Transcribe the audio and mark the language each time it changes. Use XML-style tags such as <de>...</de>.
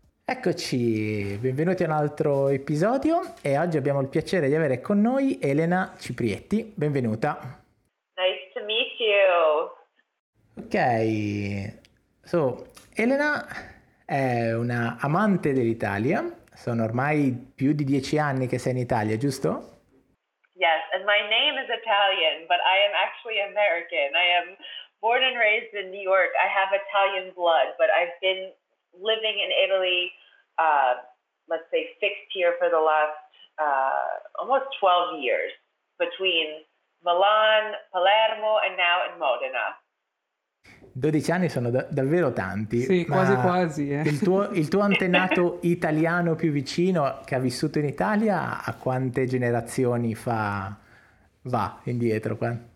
<it>Eccoci, benvenuti a un altro episodio e oggi abbiamo il piacere di avere con noi Elena Ciprietti. Benvenuta. Ok, so, Elena è una amante dell'Italia, sono ormai più di 10 anni che sei in Italia, giusto?</it> <en>Yes, and my name is Italian, but I am actually American. I am born and raised in New York. I have Italian blood, but I've been living in Italy, let's say fixed here for the last almost 12 years, between Milan, Palermo, and now in Modena.</en> <it>12 anni sono davvero tanti. Sì, quasi quasi. Il tuo antenato italiano più vicino che ha vissuto in Italia a quante generazioni fa va indietro qua?</it>